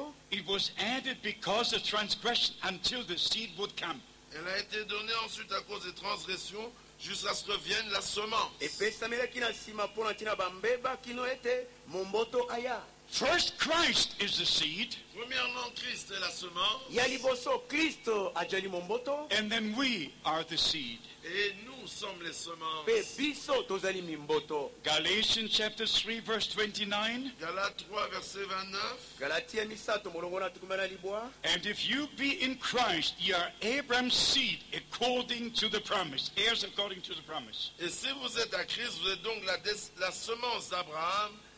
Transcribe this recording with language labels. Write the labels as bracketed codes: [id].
[en] It was added because of transgression until the seed would come. [fr] Elle a été donnée ensuite à cause des transgressions jusqu'à ce que vienne la semence. [en] First, Christ is the seed. [fr] Premièrement, Christ est la semence. [en] And then we are the seed. [fr] Et nous sommes les semences. [en] Galatians chapter 3, verse 29. [fr] Galates 3, verset 29. [en] And if you be in Christ, ye are Abraham's seed according to the promise, heirs according to the promise. [fr] Et si vous êtes à Christ, vous êtes donc la semence d'Abraham,